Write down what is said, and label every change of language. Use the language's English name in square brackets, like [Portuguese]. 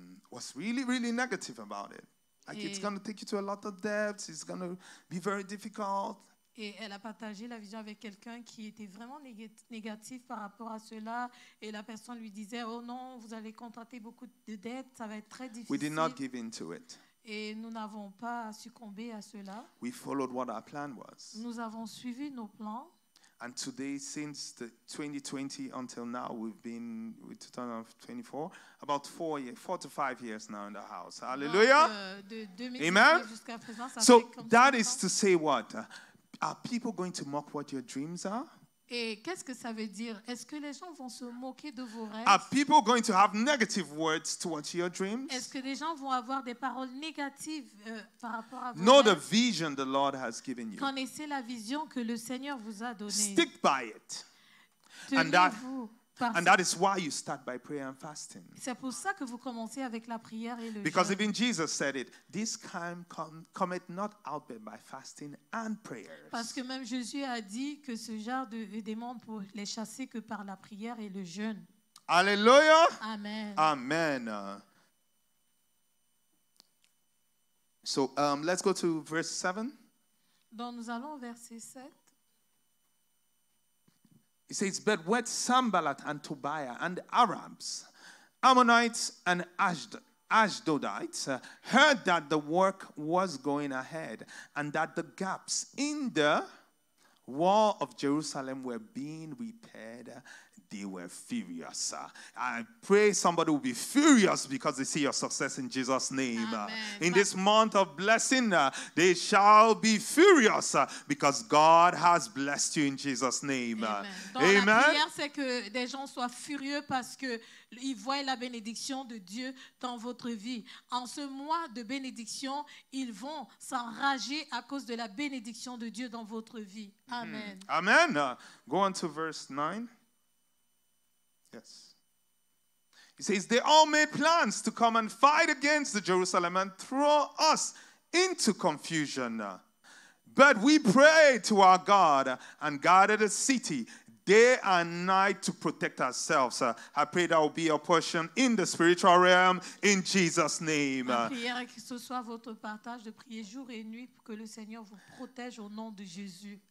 [English] was really, really negative about it. Like, it's going to take you to a lot of depths. It's going to be very difficult. [French] Et elle a partagé la vision avec quelqu'un qui était vraiment négatif par rapport à cela. Et la personne lui disait, oh non, vous allez contracter beaucoup de dettes, ça va être très difficile. [English] We did not give in to it. [French] Et nous n'avons pas succombé à cela. [English] We followed what our plan was. [French] Nous avons suivi nos plans. [English] And today, since the 2020 until now, we've been with 2024, about 4 years, 4 to 5 years now in the house. Hallelujah. Amen. So that is to say what? Are people going to mock what your dreams are? [French] Et qu'est-ce que ça veut dire? Est-ce que les gens vont se moquer de vos rêves? [English] Are people going to have negative words towards your dreams? [French] Est-ce que les gens vont avoir des paroles négatives par rapport à vos [English] know [French] rêves? [English] Know the vision the Lord has given you. [French] Connaissez la vision que le Seigneur vous a donnée. [English] Stick by it. [French] Tenez-vous. [English] And that is why you start by prayer and fasting. [French] C'est pour ça que vous commencez avec la prière et le jeûne. [English] Because even Jesus said it, this kind cometh not out but by fasting and prayers. [French] Parce que même Jésus a dit que ce genre de démons pour les chasser que par la prière et le jeûne. Alléluia. Amen. Amen. [English] So let's go to verse 7. [French] Donc nous allons au verset 7. [English] He says, but when Sambalat and Tobiah and Arabs, Ammonites and Ashdodites heard that the work was going ahead and that the gaps in the wall of Jerusalem were being repaired, they were furious. I pray somebody will be furious because they see your success in Jesus' name. Amen. In this month of blessing, they shall be furious because God has blessed you in Jesus' name. Amen. Amen. [French] La prière, c'est que des gens soient furieux parce que ils voient la bénédiction de Dieu dans votre vie. En ce mois de bénédiction, ils vont s'enrager à cause de la bénédiction de Dieu dans votre vie. Amen. [English] Mm-hmm. Amen. Go on to verse 9. Yes. He says, they all made plans to come and fight against the Jerusalem and throw us into confusion. But we prayed to our God and guarded the city day and night to protect ourselves. I pray that will be your portion in the spiritual realm in Jesus' name. [French] Que ce soit votre partage de prier jour et nuit pour que le Seigneur vous protège au nom de Jésus.